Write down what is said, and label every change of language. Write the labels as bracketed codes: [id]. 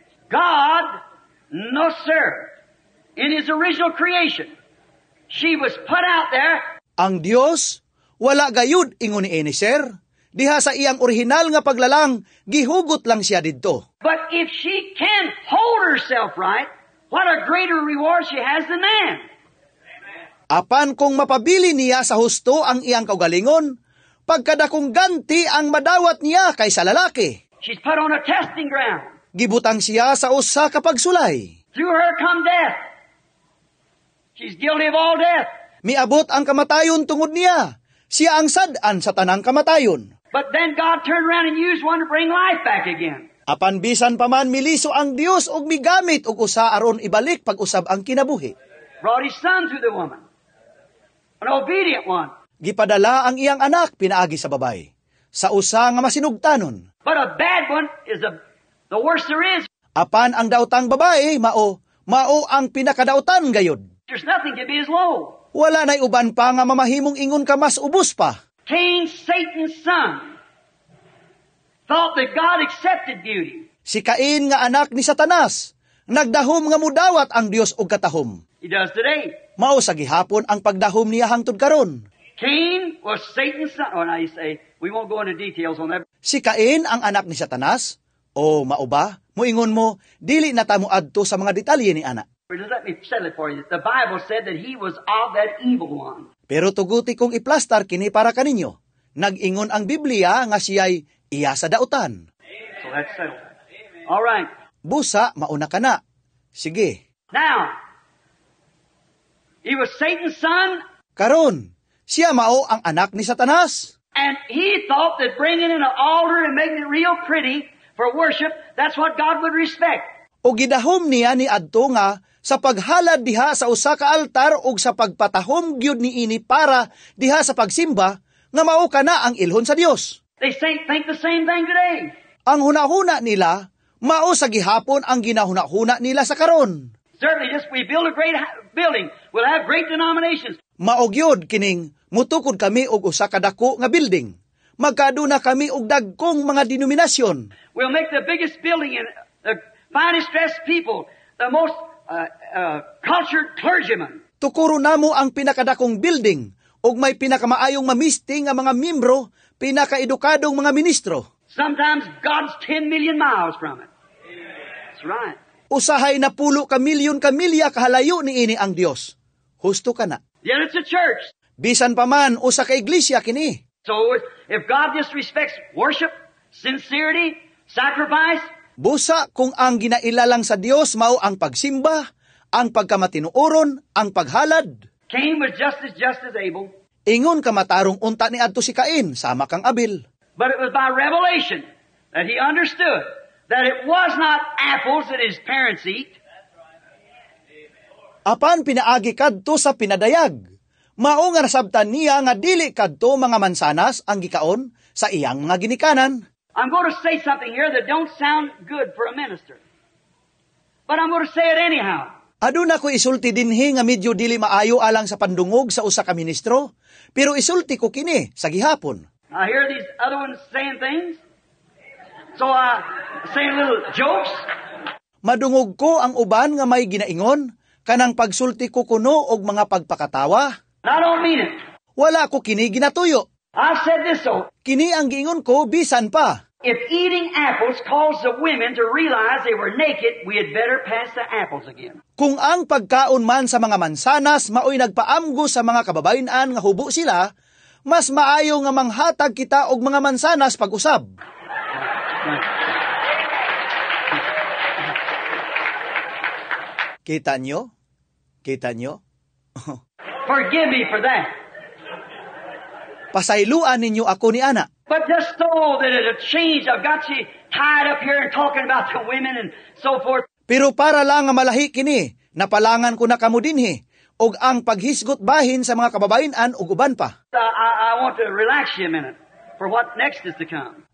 [en] God, no sir, in His original creation, she was put out there. [ceb] Ang Dios, wala gayud ingon ni sir, diha sa iyang orihinal nga paglalang, gihugot lang siya didto. [en] But if she can hold herself right, what a greater reward she has than man. [ceb] Apan kung mapabili niya sa husto ang iyang kaugalingon, pagkadakong ganti ang madawat niya kaysa lalaki. [en] She's put on a testing ground. [ceb] Gibutang siya sa usa ka pagsulay. [en] Through her come death. She's guilty of all death. [ceb] Miabot ang kamatayon tungod niya. Siya ang sad-an sa tanang kamatayon. [en] But then God turned around and used one to bring life back again. [ceb] Apan bisan pa man miliso ang Dios og migamit og usa aron ibalik pag-usab ang kinabuhi. [en] Brought his son to the woman. An obedient one. [ceb] Gipadala ang iyang anak pinaagi sa babay. Sa usa nga masinugtanon. [en] But a bad one is a the worst there is. [ceb] Apan ang daotang babae, mao ang pinakadaotan gayod. [en] There's nothing to be as low. [ceb] Wala na'y uban pa nga mamahimong ingon ka mas ubos pa. [en] Cain, Satan's son, thought that God accepted beauty. [ceb] Si Cain nga anak ni Satanas, nagdahom nga mudawat ang Dios og katahom. [en] He does today. [ceb] Mao sa gihapon ang pagdahom niya hangtod karon. [en] Cain was Satan's son. Oh, now you say, we won't go into details on that. [ceb] Si Cain ang anak ni Satanas, oh, mauba, muingon mo, dili na tamo adto sa mga detalye ni ana. [en] Let me settle it for you. The Bible said that he was of that evil one. [ceb] Pero tuguti kong iplastar kini para kaninyo. Nag-ingon ang Biblia nga siya'y iya sa dautan. [en] Amen. So let's settle that. All right. [ceb] Busa, mauna ka na. Sige. [en] Now, he was Satan's son. [ceb] Karon, siya mao ang anak ni Satanas. [en] And he thought that bringing in an altar and making it real pretty for worship, that's what God would respect. [ceb] O gidahom niya ni adto nga sa paghalad diha sa usa ka altar o sa pagpatahom gyud ni ini para diha sa pagsimba nga mao kana ang ilhon sa Dios. [en] They say, think the same thing today. [ceb] Ang hunahuna nila mao sa gihapon ang ginahunahuna nila sa karon. [en] Certainly, just we build a great building, we'll have great denominations. [ceb] Mao gyud kining mutukod kami og usa ka dako nga building. Magkaduna kami og dagkong mga denominasyon. [en] We'll make the biggest building and the finest dressed people, the most cultured clergymen. [ceb] Tukuro namo ang pinakadakong building og may pinakamaayong mamisting ang mga miyembro, pinakaedukadong mga ministro. [en] Sometimes God's 10 million miles from it. Amen. right. [ceb] Usahay na pulo ka milyon ka milya kahalayo ni ini ang Dios. Husto ka na. [en] Yet it's a church. [ceb] Bisan pa man usa ka iglesia kini. [en] So if God just respects worship, sincerity, sacrifice, [ceb] busa kung ang ginailalang sa Dios mao ang pagsimba, ang pagkamatinuoron, ang paghalad. [en] Cain was just as Abel. [ceb] Ingon kamatarong unta ni adto si Cain, sama kang Abel. [en] But it was by revelation that he understood that it was not apples that his parents eat. [ceb] Apan pinaagi kadto sa pinadayag. Mao nga nasabtan niya nga dili kadto mga mansanas ang gikaon sa iyang mga ginikanan. [en] I'm going to say something here that don't sound good for a minister. But I'm going to say it anyhow. [ceb] Aduna ko isulti dinhi nga medyo dili maayo alang sa pandungog sa usa ka ministro, pero isulti ko kini sa gihapon. [en] I hear these other ones saying things. So I say little jokes. [ceb] Madungog ko ang uban nga may ginaingon kanang pagsulti ko kuno og mga pagpakatawa. [en] I don't mean it. [ceb] Wala ko kini ginatuyo. [en] I said this so. [ceb] Kini ang giingon ko bisan pa. [en] If eating apples caused the women to realize they were naked, we had better pass the apples again. [ceb] Kung ang pagkaon man sa mga mansanas mao'y nagpaamgo sa mga kababayenan nga hubo sila, mas maayo nga manghatag kita og mga mansanas pag-usab. Kita nyo? Kita nyo? [en] Forgive me for that. [ceb] Pasayloan ninyo ako ni Ana. [en] But just so that it'll change, I've got you tied up here and talking about the women and so forth. [ceb] Pero para lang nga malahi kini, napalangan ko na kamo dinhi og ang paghisgot bahin sa mga kababayenan ug uban pa. [en] I want to relax you a minute for what next is to come.